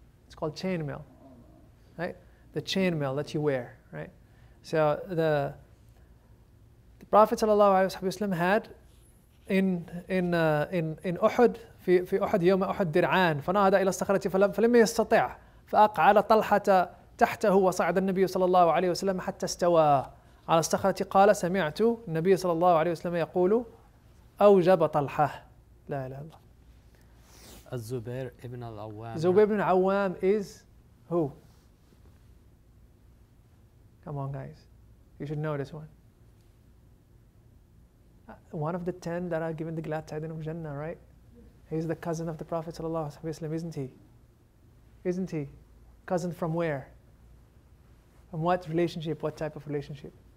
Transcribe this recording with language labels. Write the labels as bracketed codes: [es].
[en] It's called chain mail, right? The chain mail that you wear, right? So the Prophet [ar] صلى الله عليه وسلم [en] had in [ar] أحد في أحد يوم أحد درعان فنهض إلى الصخرة فلم يستطع فأقعد طلحة تحته وصعد النبي صلى الله عليه وسلم حتى استوى على الصخرة قال سمعت النبي صلى الله عليه وسلم يقول أوجب طلحة لا إله إلا الله. الزبير ابن العوام. [en] زبير بن عوام is who? Come on guys, you should know this one. One of the 10 that are given the glad tidings of Jannah, right? He's the cousin of the Prophet sallallahu alaihi wasallam, isn't he? Isn't he? Cousin from where? From what relationship? What type of relationship?